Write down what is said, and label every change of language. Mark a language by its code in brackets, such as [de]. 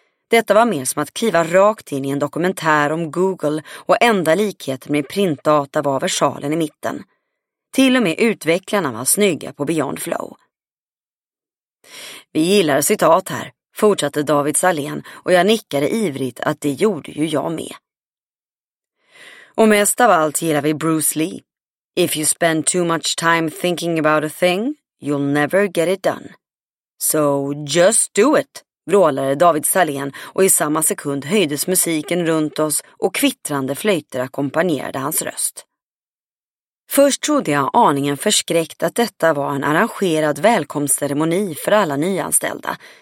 [sv] Detta var mer som att kliva rakt in i en dokumentär om Google och enda likheten med printdata var versalen i mitten. Till och med utvecklarna var snygga på Beyond Flow. "Vi gillar citat här", fortsatte David Salén, och jag nickade ivrigt att det gjorde ju jag med. "Och mest av allt gillar vi Bruce Lee. [en] If you spend too much time thinking about a thing, you'll never get it done. So just do it", [sv] vrålade David Salén, och i samma sekund höjdes musiken runt oss och kvittrande flöjter ackompanjerade hans röst. Först trodde jag aningen förskräckt att detta var en arrangerad välkomstceremoni för alla nyanställda.